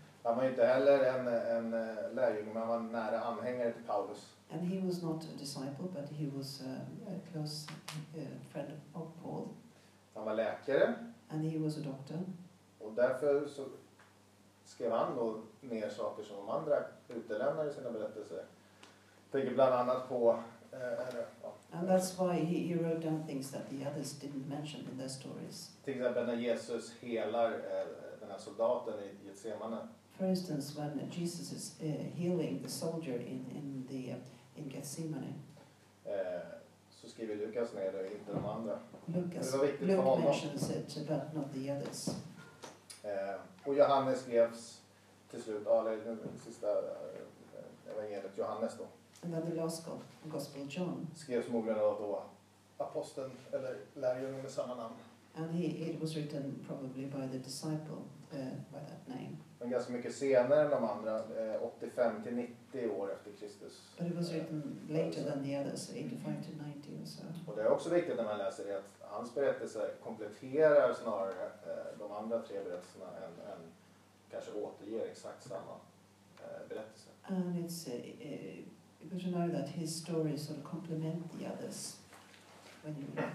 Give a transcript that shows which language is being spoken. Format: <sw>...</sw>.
<sv>Han var inte heller en lärjunge, men han var nära anhängare till Paulus.</sv> <en>And he was not a disciple, but he was a close friend of Paul.</en> <sv>Han var läkare.</sv> <en>And he was a doctor.</en> <sv>Och därför så skrev han då ner saker som de andra utelämnade i sina berättelser. Tänker bland annat på...</sv> <en>And that's why he wrote down things that the others didn't mention in their stories.</en> <sv>Till exempel när Jesus helar den här soldaten i Getsemane.</sv> <en>For instance, when Jesus is healing the soldier in Getsemane.</en> <sv>Så skriver Lukas ner det, inte de andra.</sv> <en>Luke mentions it, but not the others.</en> <sv>Och Johannes skrevs till slut, sista evangeliet, Johannes då.</sv> <en>And then the last gospel, John.</en> <sv>Skrevs förmodligen av då aposteln eller lärjungen med samma namn.</sv> <en>And it was written probably by the disciple by that name.</en> <sv>Men ganska mycket senare än de andra, 85 till 90 år efter Kristus.</sv> <en>But it was written later than the others, 85 to 90 or so.</en> <sv>Och det är också viktigt när man läser det att hans berättelse kompletterar snarare de andra tre berättelserna än kanske återger exakt samma berättelse.</sv> <en>And it's Because you know that his story sort of complement the others when you</en>